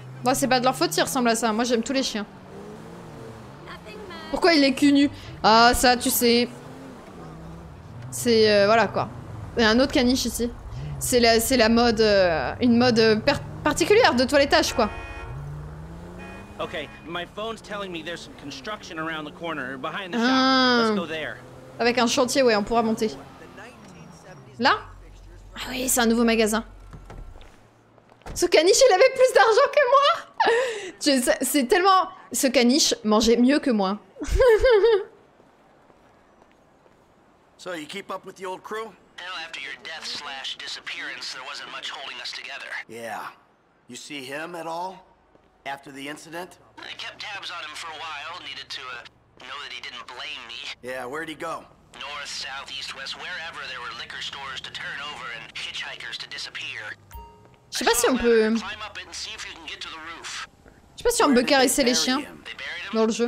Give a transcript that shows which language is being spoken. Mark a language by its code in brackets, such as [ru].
[fr] Bon c'est pas de leur faute ils ressemblent à ça, moi j'aime tous les chiens. Pourquoi il est cul nu? Ah ça tu sais. C'est voilà quoi. Il y a un autre caniche ici. C'est la mode, une mode particulière de toilettage quoi. [en] Ok, my phone's telling me there's some construction around the corner, behind the shop. Let's go there. [fr] Avec un chantier, ouais, on pourra monter. Là? Ah oui, c'est un nouveau magasin. Ce caniche, il avait plus d'argent que moi! C'est tellement... Ce caniche mangeait mieux que moi. [en] So you keep up with the old crew? Well, after your death slash disappearance, there wasn't much holding us together. Yeah. You see him at all? After the incident? I kept tabs on him for a while, needed to... know that he didn't blame me. Yeah, where'd he go? North, south, east, west, wherever there were liquor stores to turn over and hitchhikers to disappear. [fr] Je sais pas si on peut... [en] Climb up and see if you can get to the roof. [fr] Je sais pas si on peut caresser les chiens dans le jeu.